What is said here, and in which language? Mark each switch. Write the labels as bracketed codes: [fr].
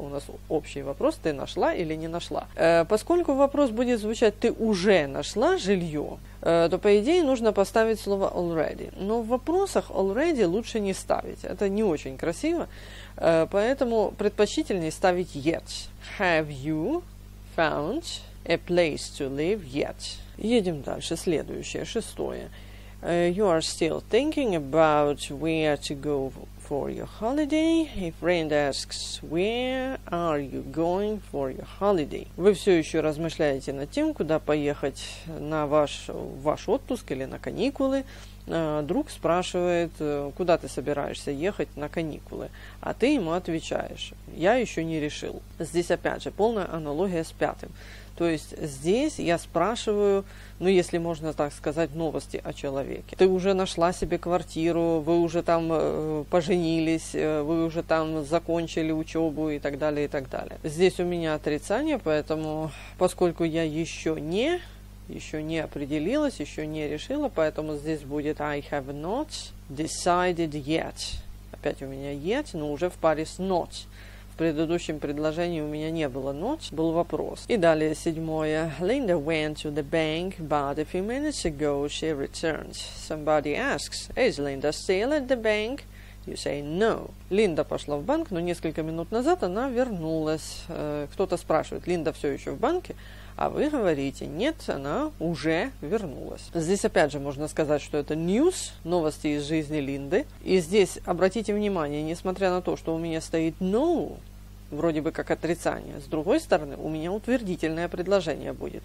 [ru] У нас общий вопрос, ты нашла или не нашла. Поскольку вопрос будет звучать, ты уже нашла жилье, то, по идее, нужно поставить слово already. Но в вопросах already лучше не ставить. Это не очень красиво. Поэтому предпочтительнее ставить yet. [en] Have you found a place to live yet? [ru] Едем дальше. Следующее, шестое. [en] You are still thinking about where to go for your holiday. A friend asks, where are you going for your holiday? [ru] Вы все еще размышляете над тем, куда поехать на ваш отпуск или на каникулы. Друг спрашивает, куда ты собираешься ехать на каникулы. А ты ему отвечаешь, я еще не решил. Здесь опять же полная аналогия с пятым. То есть здесь я спрашиваю, ну если можно так сказать, новости о человеке. Ты уже нашла себе квартиру, вы уже там поженились, вы уже там закончили учебу и так далее, и так далее. Здесь у меня отрицание, поэтому поскольку я еще не определилась, еще не решила, поэтому здесь будет [en] I have not decided yet. [ru] Опять у меня yet, но уже в паре с not. В предыдущем предложении у меня не было ночь, был вопрос. И далее седьмое. [en] Linda went to the bank, but a few minutes ago she returned. Somebody asks, is Linda still at the bank? You say no. [ru] Линда пошла в банк, но несколько минут назад она вернулась. Кто-то спрашивает, Линда все еще в банке? А вы говорите, нет, она уже вернулась. Здесь опять же можно сказать, что это news, новости из жизни Линды. И здесь обратите внимание, несмотря на то, что у меня стоит no, вроде бы как отрицание, с другой стороны, у меня утвердительное предложение будет.